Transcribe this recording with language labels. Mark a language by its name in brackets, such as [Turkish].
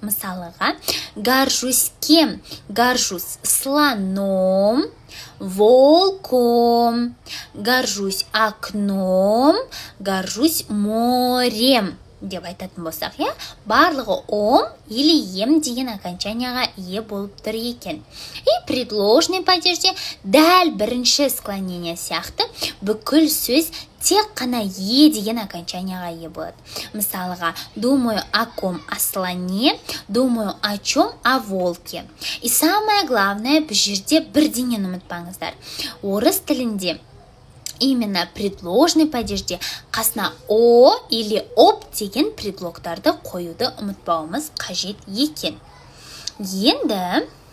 [Kazakh] Мысалыға, [Russian] горжусь кем? Горжусь слоном, волком, горжусь окном, горжусь морем [Kazakh] деп айтатын болсақ, я, барлығы ом или ем деген окончанияға ие болып тұр екен. И предложный падежде дәл бірінші склонение сияқты бүкіл сөз тек қана е деген окончанияға ие болады. [Russian] Мысалыға, думаю о ком — о слоне, думаю о чем — о волке. И самое главное, [Kazakh] бұл жерде бірдеңені ұмытпаңыздар, орыс тілінде именно предложный падежде қасына о или об деген предлогтарды қоюды ұмытпауымыз қажет екен. Енді